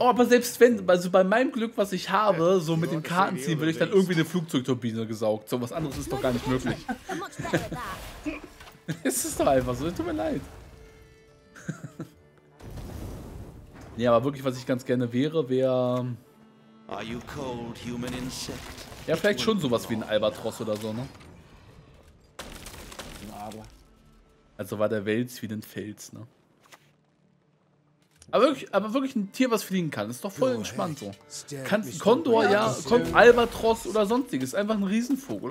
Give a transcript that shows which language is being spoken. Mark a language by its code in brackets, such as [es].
[de] Oh, aber selbst wenn, also bei meinem Glück, was ich habe, ja, so mit den Karten ziehen, würde ich dann irgendwie eine Flugzeugturbine gesaugt. So was anderes ist doch gar nicht möglich. Es ist doch einfach so, tut mir leid. Nee, aber wirklich, was ich ganz gerne wäre, wäre. [en] Are you cold, human insect? [de] Ja, vielleicht schon sowas wie ein Albatros oder so, ne? Also war der Wels wie ein Fels, ne? Aber wirklich ein Tier, was fliegen kann. Ist doch voll entspannt so. Kondor, ja, Albatros oder sonstiges. Einfach ein Riesenvogel.